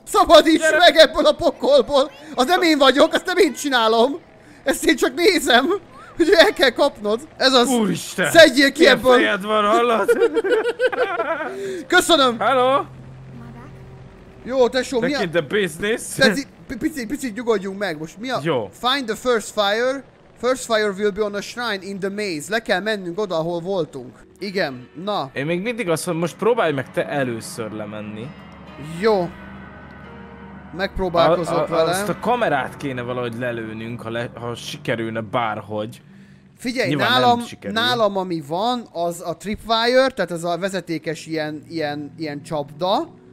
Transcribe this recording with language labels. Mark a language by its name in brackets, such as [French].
[Hungarian] Szabadíts meg ebből a pokolból. Az nem én vagyok, azt nem én csinálom. Ezt én csak nézem. Hogy el kell kapnod. Ez az. Úristen. Szedjél ki ebből. Milyen fejed van, hallod? Köszönöm. Hello. Jó, tesó, mi a... [English] The business. [Hungarian] Picit nyugodjunk meg most. Mi a... Jó. [English] Find the first fire. First fire will be on a shrine in the maze. [Hungarian] Le kell mennünk oda, ahol voltunk. Igen, na. Én még mindig azt mondom, most próbálj meg te először lemenni. Jó. Megpróbálkozok vele. Azt a kamerát kéne valahogy lelőnünk, ha sikerülne bárhogy. Figyelj, nálam ami van, az a tripwire, tehát ez a vezetékes ilyen csapda.